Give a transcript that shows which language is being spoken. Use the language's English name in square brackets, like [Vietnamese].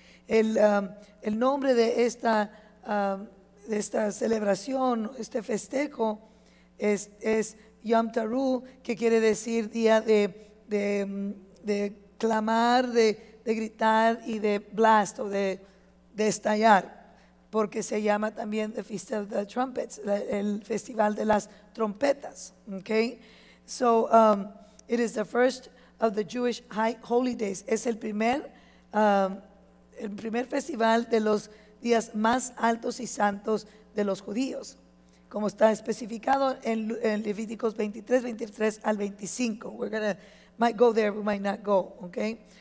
[Spanish] El nombre de esta celebración, este festejo, es Yom Teruah, que quiere decir día de clamar, de gritar y de blast o de estallar, porque se llama también [English] the Feast of the Trumpets, [Spanish] el festival de las trompetas. [English] Okay, so it is the first of the Jewish high holy days. [Spanish] Es el primer festival de los días más altos y santos de los judíos, como está especificado en Levíticos 23, 23 al 25. [English] We're gonna might go there, we might not go, okay?